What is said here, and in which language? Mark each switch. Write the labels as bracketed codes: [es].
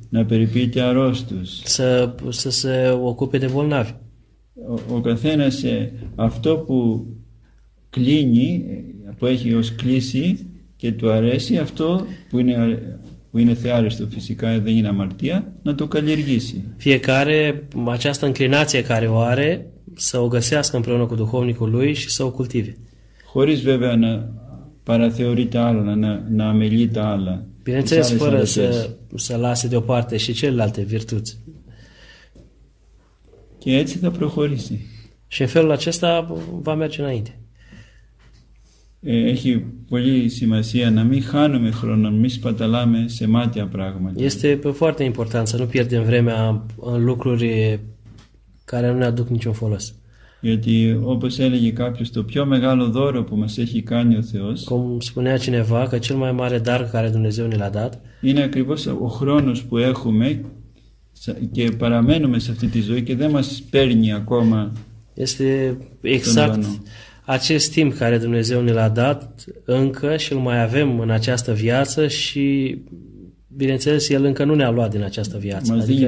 [el] Να περιποιείται αρρώστους. [ro] Să se ocupe de bolnavi. [el] Ο καθένας αυτό που κλείνει, που έχει ως κλείσει και του αρέσει αυτό που είναι θεάρεστο φυσικά, δεν είναι αμαρτία, να το καλλιεργήσει. [ro] Fiecare această înclinație care o are să o găsească împreună cu duhovnicul lui și să o cultive. [el] Χωρίς βέβαια να παραθεωρεί τα άλλα, να αμελεί τα άλλα. [ro] Bineînțeles, fără să lase deoparte și celelalte virtuți. [el] Και έτσι θα προχωρήσει. [ro] Și în felul acesta va merge înainte. [el] Έχει πολύ σημασία να μην χάνουμε χρόνο, να μην σπαταλάμε σε μάτια πράγματα. [ro] Este foarte important să nu pierdem vremea în lucruri care nu ne aduc niciun folos. [el] Γιατί, όπως έλεγε κάποιος, το πιο μεγάλο δώρο που μας έχει κάνει ο Θεός, [ro] cum spunea cineva, că cel mai mare dar care Dumnezeu ne l-a dat, [el] είναι ακριβώς ο χρόνος που έχουμε και παραμένουμε σε αυτή τη ζωή και δεν μας παίρνει ακόμα. [ro] Este exact acest timp care Dumnezeu ne l-a dat încă și îl mai avem în această viață și, bineînțeles, El încă nu ne-a luat din această viață.